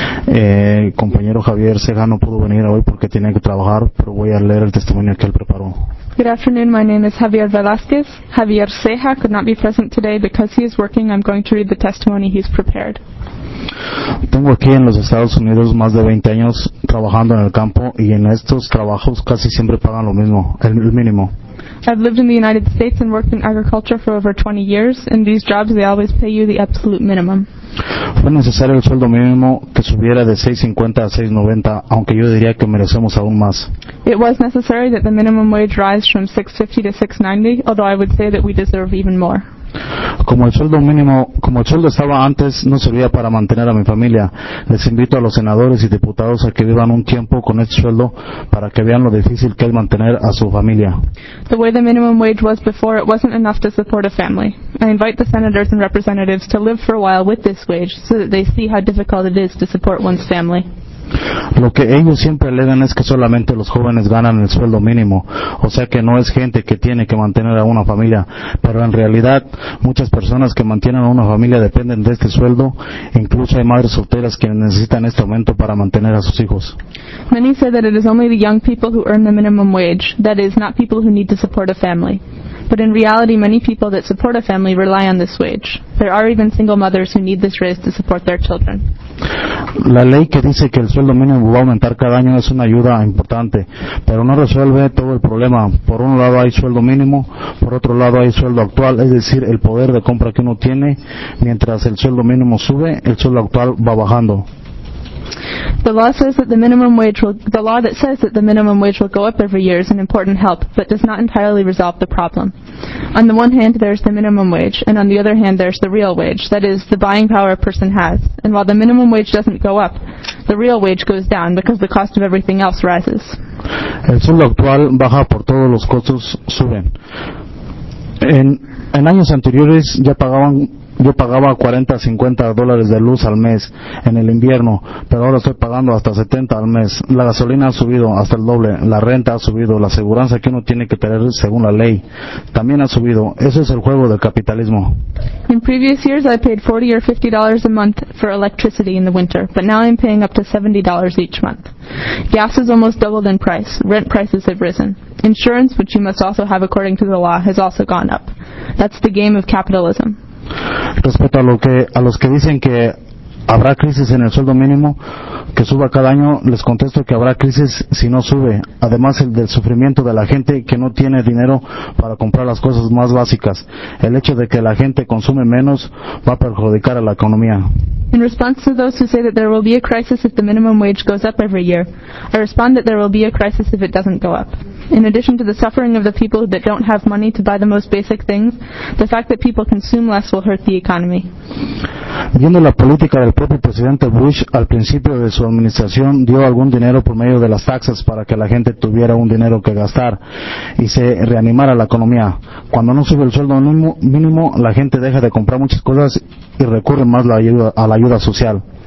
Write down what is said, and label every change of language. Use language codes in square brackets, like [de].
[es] El compañero Javier Seja no pudo venir hoy porque tiene que trabajar, pero voy a leer el testimonio que él preparó. [en] Good afternoon, my name is Javier Velázquez. Javier Seja could not be present today because he is working. I'm going to read the testimony he's prepared. [es] Tengo aquí en los Estados Unidos más de 20 años trabajando en el campo y en estos trabajos casi siempre pagan lo mismo, el mínimo. [en] I've lived in the United States and worked in agriculture for over 20 years. In these jobs, they always pay you the absolute minimum. [es] Fue necesario el sueldo mínimo que subiera de 6.50 a 6.90, aunque yo diría que merecemos aún más. [en] It was necessary that the minimum wage rise from 6.50 to 6.90, although I would say that we deserve even more. [es] Como el sueldo estaba antes, no servía para mantener a mi familia. Les invito a los senadores y diputados a que vivan un tiempo con este sueldo para que vean lo difícil que es mantener a su familia. [en] The way the minimum wage was before, it wasn't enough to support a family. I invite the senators and representatives to live for a while with this wage so that they see how difficult it is to support one's family. [es] Lo que ellos siempre alegan es que solamente los jóvenes ganan el sueldo mínimo, o sea que no es gente que tiene que mantener a una familia, pero en realidad muchas personas que mantienen a una familia dependen de este sueldo, incluso hay madres solteras que necesitan este aumento para mantener a sus hijos. [en] Many say that it is only the young people who earn the minimum wage, that is, not people who need to support a family. But in reality, many people that support a family rely on this wage. There are even single mothers who need this raise to support their children. [es] La ley que dice que el sueldo mínimo va a aumentar cada año es una ayuda importante, pero no resuelve todo el problema. Por un lado hay sueldo mínimo, por otro lado hay sueldo actual, es decir, el poder de compra que uno tiene. Mientras el sueldo mínimo sube, el sueldo actual va bajando. [en] The law that says that the minimum wage will go up every year is an important help, but does not entirely resolve the problem. On the one hand, there's the minimum wage, and on the other hand, there's the real wage, that is, the buying power a person has. And while the minimum wage doesn't go up, the real wage goes down because the cost of everything else rises. [es] El sueldo actual baja por todos los costos suben. En años anteriores ya pagaban... Yo pagaba 40, 50 dólares de luz al mes en el invierno, pero ahora estoy pagando hasta 70 al mes. La gasolina ha subido hasta el doble, la renta ha subido, la aseguranza que uno tiene que tener según la ley también ha subido. Ese es el juego del capitalismo. [en] In previous years, I paid $40 or $50 a month for electricity in the winter, but now I'm paying up to $70 each month. Gas has almost doubled in price. Rent prices have risen. Insurance, which you must also have according to the law, has also gone up. That's the game of capitalism. [es] Respecto a lo que a los que dicen que habrá crisis en el sueldo mínimo que suba cada año, les contesto que habrá crisis si no sube, además el del sufrimiento de la gente que no tiene dinero para comprar las cosas más básicas. El hecho de que la gente consume menos va a perjudicar a la economía. [en] In response to those who say that there will be a crisis if the minimum wage goes up every year, I respond that there will be a crisis if it doesn't go up. In addition to the suffering of the people that don't have money to buy the most basic things, the fact that people consume less will hurt the economy. [es] Viendo la política del propio presidente Bush, al principio de su administración dio algún dinero por medio de las taxas para que la gente tuviera un dinero que gastar y se reanimara la economía. Cuando no sube el sueldo mínimo, la gente deja de comprar muchas cosas y recurre más a la ayuda social.